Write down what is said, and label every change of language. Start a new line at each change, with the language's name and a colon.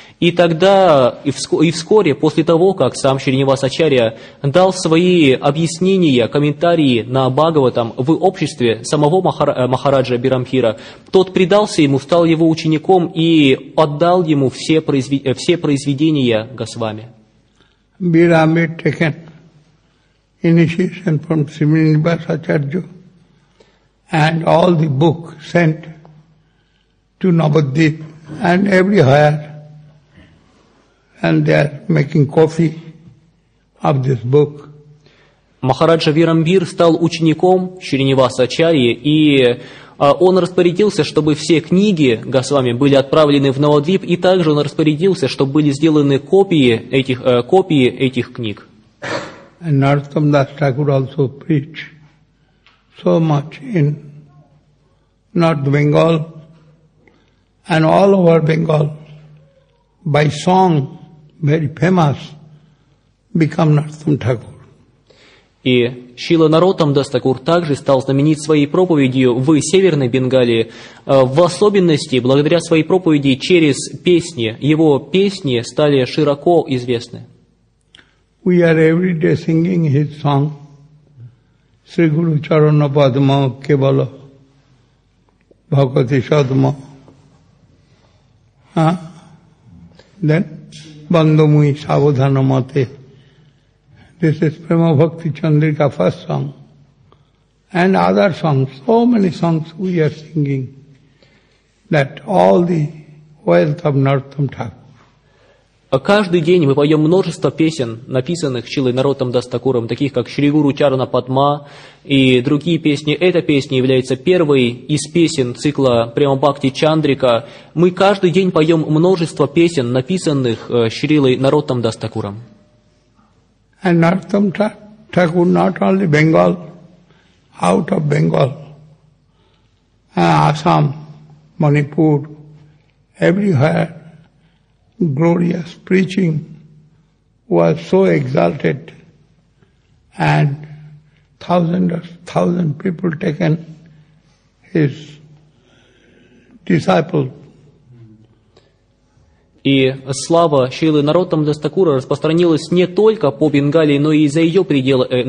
Russian: И тогда, и вскоре, после того, как сам Шринивас Ачарья дал свои объяснения, комментарии на Бхагаватам в обществе самого Махараджа Бирамбхира, тот предался ему, стал его учеником и отдал ему все произведения Госвами.
English: Бирамбир taken initiation from Srinivas Acharya and all the book sent to Navadvip and everywhere. And they are making copy of this book.
Russian: Махараджа Бирамбир стал учеником Шринивасы Ачарьи, и он распорядился, чтобы все книги Госвами были отправлены в Навадвип, и также он распорядился, чтобы были сделаны копии этих книг.
English: And Narottam Das Thakur also preach so much in North Bengal and all over Bengal by song. Very famous, become Narottam Thakur.
Russian: И Шрила Наротам Дас Такур также стал знаменит своей проповедью в Северной Бенгалии, в особенности благодаря своей проповеди через песни. Его песни стали широко известны.
English: We are every day singing his song.
Bangla: Sri Guru Charana Padma Kevala Bhakti Shadma.
English: Then?
Bangla: Bandhumi Savodhanamate.
English: This is Prema Bhakti Chandrika first song. And other songs, so many songs we are singing, that all the wealth of Narottam Thakur.
Russian: Каждый день мы поем множество песен, написанных Шрилой Наротам Дас Такуром, таких как «Шри Гуру Чарана Падма» и другие песни. Эта песня является первой из песен цикла «Према Бхакти Чандрика». Мы каждый день поем множество песен, написанных Шрилой Наротам Дас Такуром.
English: And Narottam Thakur not only Bengal, out of Bengal, Assam, Manipur, everywhere glorious preaching was so exalted, and thousands of people taken his disciples.
Russian: И слава Шрилы Наротам Дас Такура распространилась не только по Бенгалии, но и за ее пределы.